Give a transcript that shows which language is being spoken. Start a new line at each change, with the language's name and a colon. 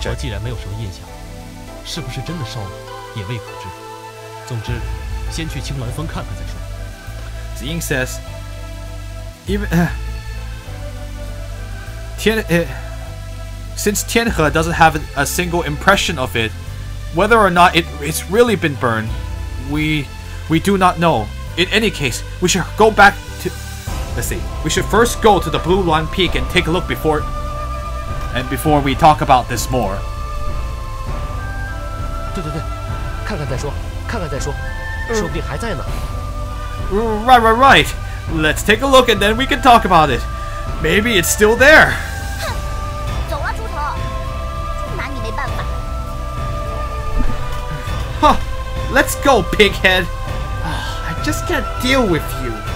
English: 天河既然没有什么印象，是不是真的烧了？也未可知。总之，先去青鸾峰看看再说。 Jing says, "Even since Tianhe doesn't have a single impression of it, whether or not it's really been burned, we do not know. In any case, we should go back to. Let's see. We should first go to the Blue Luan Peak and take a look before we talk about this more."
Chinese: 对对对。看看再说，看看再说，说不定还在呢。
English: Right, right, right. Let's take a look and then we can talk about it. Maybe it's still there.
Chinese: 哼，走了，猪头，拿你没办法。
English: Let's go, pighead. I just can't deal with you.